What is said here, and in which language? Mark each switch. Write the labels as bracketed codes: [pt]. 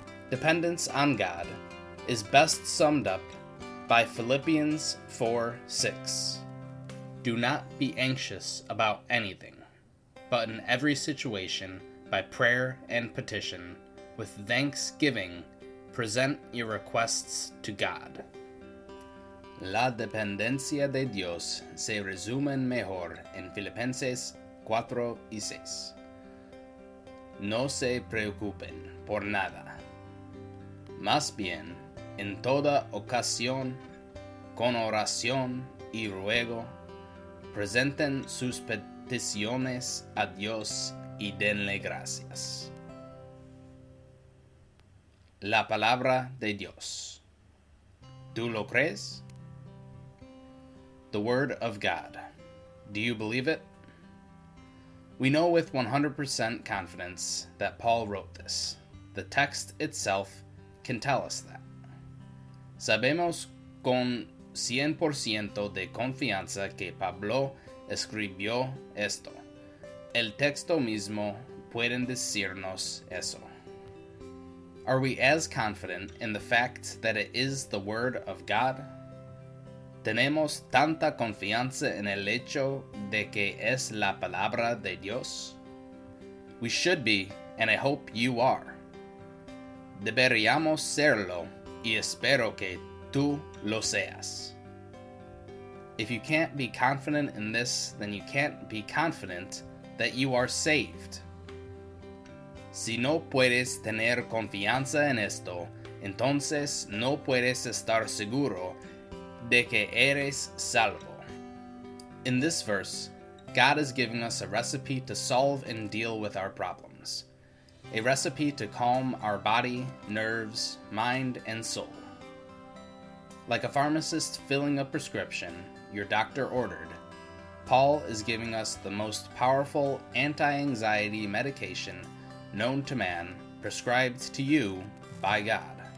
[en] Dependence on God is best summed up by Philippians 4:6. Do not be anxious about anything, but in every situation, by prayer and petition, with thanksgiving, present your requests to God. [es] La dependencia de Dios se resume mejor en Filipenses 4 y 6. No se preocupen por nada. Más bien, en toda ocasión, con oración y ruego, presenten sus peticiones a Dios y denle gracias. La palabra de Dios. ¿Tú lo crees? [en] The word of God. Do you believe it? We know with 100% confidence that Paul wrote this. The text itself can tell us that. [es] Sabemos con 100% de confianza que Pablo escribió esto. El texto mismo puede decirnos eso. [en] Are we as confident in the fact that it is the word of God? [es] ¿Tenemos tanta confianza en el hecho de que es la palabra de Dios? [en] We should be, and I hope you are. [es] Deberíamos serlo, y espero que tú lo seas. [en] If you can't be confident in this, then you can't be confident that you are saved. [es] Si no puedes tener confianza en esto, entonces no puedes estar seguro de que eres salvo. [en] In this verse, God is giving us a recipe to solve and deal with our problems. A recipe to calm our body, nerves, mind, and soul. Like a pharmacist filling a prescription your doctor ordered, Paul is giving us the most powerful anti-anxiety medication known to man, prescribed to you by God.